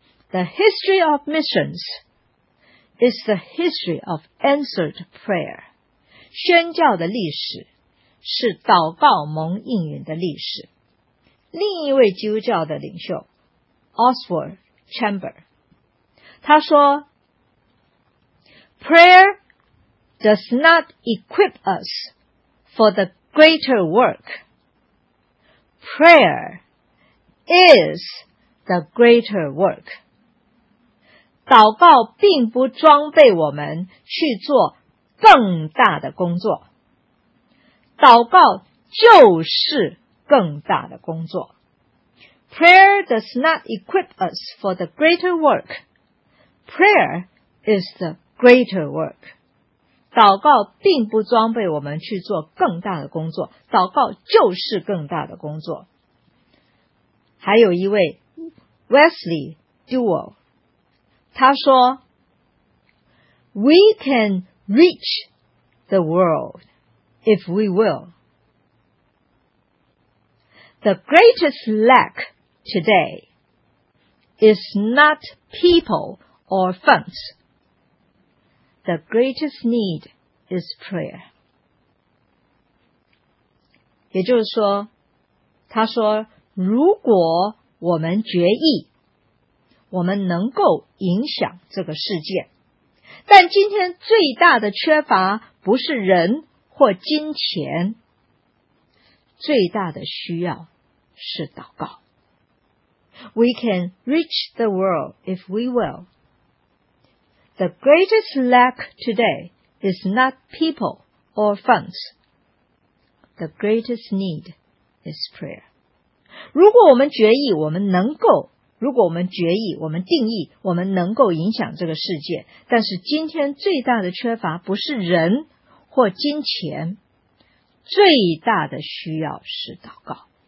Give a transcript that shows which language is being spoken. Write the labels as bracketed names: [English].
[English] The history of missionsIt's the history of answered prayer. [Chinese] 宣教的历史是祷告蒙应允的历史。另一位基督教的领袖 [English] Oswald Chamber， [Chinese] 他说 [English] Prayer does not equip us for the greater work. Prayer is the greater work. [Chinese] 祷告并不装备我们去做更大的工作，祷告就是更大的工作。 [English] Prayer does not equip us for the greater work. Prayer is the greater work. [Chinese] 祷告并不装备我们去做更大的工作，祷告就是更大的工作。还有一位 [English] Wesley Duell， [Chinese] 他说 [English] We can reach the world if we will. The greatest lack today is not people or funds. The greatest need is prayer. [Chinese] 也就是说，他说如果我们决意，我们能够影响这个世界，但今天最大的缺乏不是人或金钱，最大的需要是祷告。 [English] We can reach the world if we will. The greatest lack today is not people or funds. The greatest need is prayer. [Chinese] 如果我们决意，我们能够，如果我们决意，我们定义，我们能够影响这个世界，但是今天最大的缺乏不是人或金钱，最大的需要是祷告。